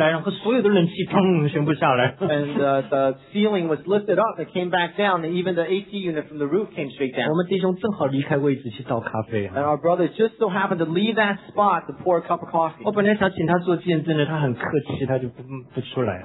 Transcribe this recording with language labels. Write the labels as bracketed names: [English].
[Chinese] 整个天花板被掀起来，然后再回来，然后所有的冷气砰全部下来。 [English] And the ceiling was lifted up, it came back down, and even the AC unit from the roof came straight down. [Chinese] 我们弟兄正好离开位置去倒咖啡。 [English] And our brother just so happened to leave that spot to pour a cup of coffee. [Chinese] 我本来想请他做见证的，他很客气，他就不出来。